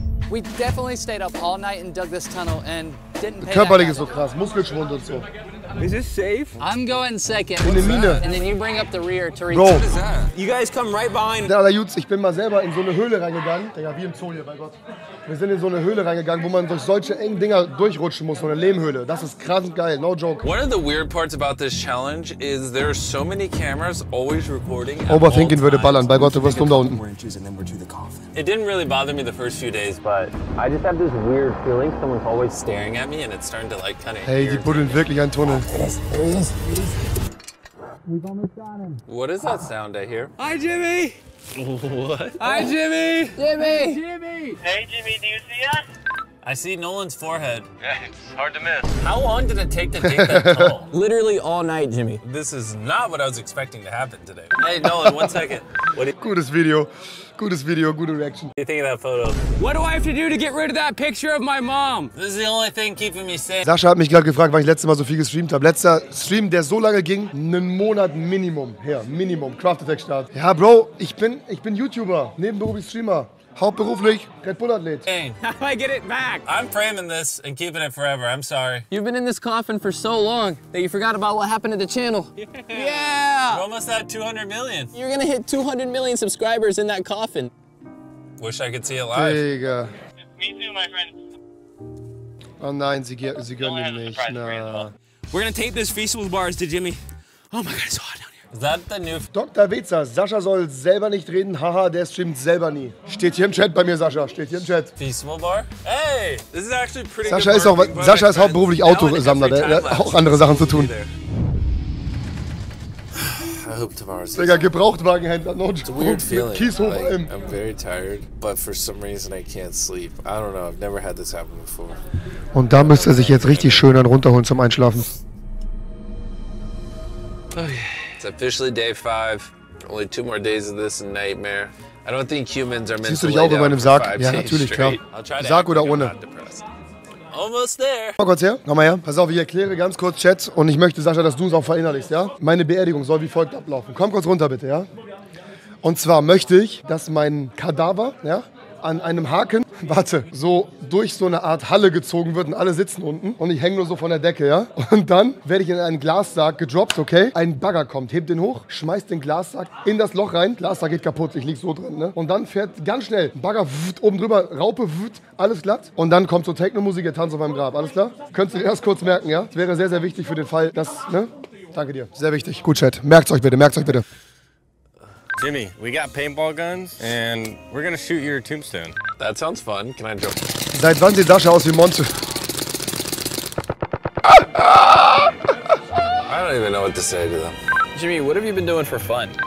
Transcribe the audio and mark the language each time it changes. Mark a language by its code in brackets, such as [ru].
[en] We definitely stayed up all night and dug this tunnel and didn't pay. [de] Körperlich ist so krass, Muskelschwund und so. [en] Is this safe? I'm going second. [de] In der Mine. [en] And then you bring up the rear to reach. Bro, what is that? You guys come right behind. [de] Der Allerjuts, ich bin mal selber in so eine Höhle reingegangen. Digga, wie im Zoo hier, bei Gott. Wir sind in so eine Höhle reingegangen, wo man durch solche engen Dinger durchrutschen muss, so eine Lehmhöhle. Das ist krass geil, [en] no joke. One of the weird parts about this challenge is there are so many cameras always recording. [de] Overthinking würde ballern, bei Gott, du wirst dumm da unten. [en] It didn't really bother me the first few days, but I just have this weird feeling someone's always staring at me and it's starting to like kind of. [de] Hey, die buddeln wirklich einen Tunnel. [en] We've almost got him. What is that sound I hear? Hi, Jimmy! What? Hi, Jimmy! Jimmy! Hey, Jimmy! Hey, Jimmy, do you see us? I see Nolan's forehead. Yeah, it's hard to miss. How long did it take to dig that tunnel? Literally all night, Jimmy. This is not what I was expecting to happen today. Hey, Nolan, one second. [de] Gutes Video. Gutes Video, gute Reaction. [en] What do you think of that photo? What do I have to do to get rid of that picture of my mom? This is the only thing keeping me safe. [de] Sascha hat mich gerade gefragt, weil ich letztes Mal so viel gestreamt habe. Letzter Stream, der so lange ging, einen Monat Minimum. Her, Minimum. Craft Attack Start. Ja, Bro, ich bin YouTuber. Nebenberuflich Streamer. Hauptberuflich Red Bull Athlet. [en] How do I get it back? I'm framing this and keeping it forever. I'm sorry. You've been in this coffin for so long that you forgot about what happened to the channel. Yeah. We're almost at 200 million. You're gonna hit 200 million subscribers in that coffin. Wish I could see it live. There you go. Me too, my friend. [de] Oh nein, sie gönnen mich nicht. Nah. [en] We're gonna tape this feasible bars to Jimmy. Oh my god, it's so hot down here. Is that the new Dr. [de] Weza, Sascha soll selber nicht reden, haha, der streamt selber nie. Steht hier im Chat bei mir, Sascha, steht hier im Chat. [en] Feasible Bar? Hey, this is actually pretty [de] Sascha [en] good [de] ist auch, Sascha ist hauptberuflich Autosammler, der hat auch andere Sachen zu tun. [en] I hope tomorrow's easy. [de] Digga, Gebrauchtwagenhändler, [en] no joke. It's a weird feeling. I'm very tired, but for some reason I can't sleep. I don't know, I've never had this happen before. [de] Und da müsste er sich jetzt richtig schön dann runterholen zum Einschlafen. [en] Okay. It's officially day 5. Only 2 more days of this nightmare. I don't think humans are meant to lay down for 5 days [de] Ja, natürlich, klar. Sarg oder ohne. [en] Almost there. [de] Komm kurz her. Komm mal her. Pass auf, ich erkläre ganz kurz, Chat. Und ich möchte, Sascha, dass du es auch verinnerlichst, ja? Meine Beerdigung soll wie folgt ablaufen. Komm kurz runter, bitte, ja? Und zwar möchte ich, dass mein Kadaver, ja, an einem Haken, warte, so durch so eine Art Halle gezogen wird und alle sitzen unten und ich hänge nur so von der Decke, ja? Und dann werde ich in einen Glassarg gedroppt, okay? Ein Bagger kommt, hebt den hoch, schmeißt den Glassarg in das Loch rein. Glassarg geht kaputt, ich lieg so drin, ne? Und dann fährt ganz schnell ein Bagger wft, oben drüber, Raupe, wft, alles glatt. Und dann kommt so Techno-Musik, ihr tanzt auf meinem Grab, alles klar? Könntest du dir erst kurz merken, ja? Das wäre sehr, sehr wichtig für den Fall, dass, ne? Danke dir, sehr wichtig. Gut, Chat, merkt's euch bitte, merkt's euch bitte. [en] Jimmy, we got paintball guns and we're gonna shoot your tombstone. That sounds fun. Can I jump? [de] Seit wann sieht Sascha aus wie Monte? [en] I don't even know what to say to them. Jimmy, what have you been doing for fun?